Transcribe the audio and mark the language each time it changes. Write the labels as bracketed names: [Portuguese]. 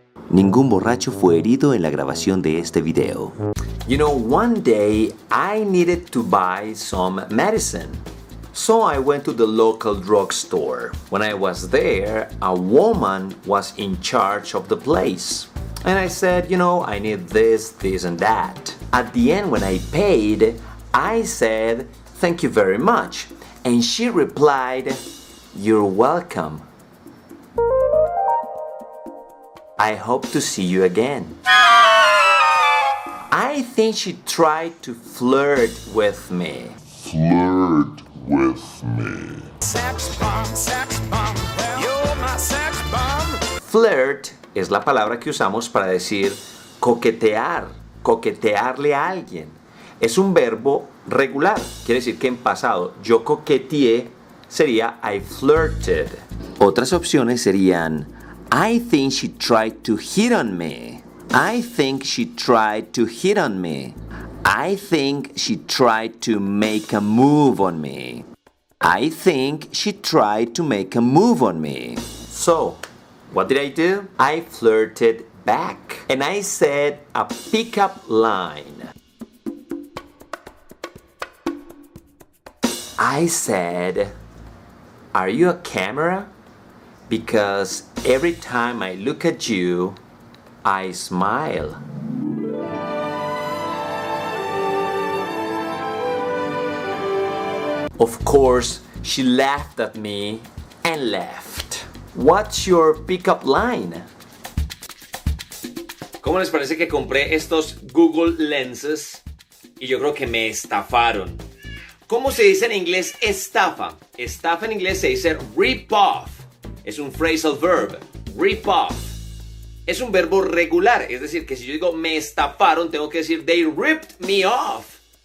[Spanish] Ningún borracho fue herido en la grabación de este video. [English] You know, one day I needed to buy some medicine. So I went to the local drugstore. When I was there, a woman was in charge of the place. And I said, you know, I need this, this and that. At the end, when I paid, I said, thank you very much. And she replied, you're welcome. I hope to see you again. I think she tried to flirt with me. Flirt with me. Sex bomb, sex bomb. Well, you're my sex bomb. [Spanish] Flirt es la palabra que usamos para decir coquetear, coquetearle a alguien. Es un verbo regular, quiere decir que en pasado yo coqueteé sería [English] I flirted. [Spanish] Otras opciones serían [English] I think she tried to hit on me. I think she tried to hit on me. I think she tried to make a move on me. I think she tried to make a move on me. So, what did I do? I flirted back. And I said a pickup line. I said, are you a camera? Because every time I look at you, I smile. Of course, she laughed at me and left. What's your pickup line? [Spanish] ¿Cómo les parece que compré estos Google Lenses? Y yo creo que me estafaron. ¿Cómo se dice en inglés estafa? Estafa en inglés se dice rip off. es un phrasal verb, rip off. Es un verbo regular, es decir, que si yo digo me estafaron, tengo que decir [English] they ripped me off.